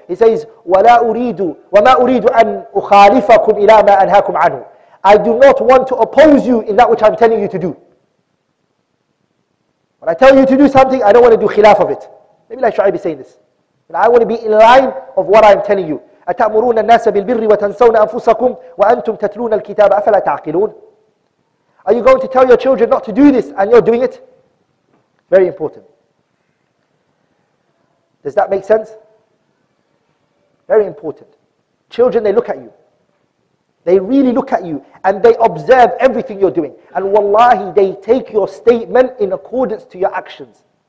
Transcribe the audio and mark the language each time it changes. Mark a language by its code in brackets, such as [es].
[en] He says, [ar] وَمَا أُرِيدُ أَنْ أُخَالِفَكُمْ إِلَى مَا أَنْهَاكُمْ عَنْهُ, [en] I do not want to oppose you in that which I'm telling you to do. When I tell you to do something, I don't want to do khilaf of it. Maybe like Shu'aib is saying this. But I want to be in line of what I'm telling you. [ar] أتأمرون الناس بالبر وتنسون أنفسكم وأنتم تتلون الكتاب أفلا تعقلون. [en] Are you going to tell your children not to do this and you're doing it? Very important. Does that make sense? Very important. Children, they look at you. They really look at you and they observe everything you're doing. And wallahi, they take your statement in accordance to your actions.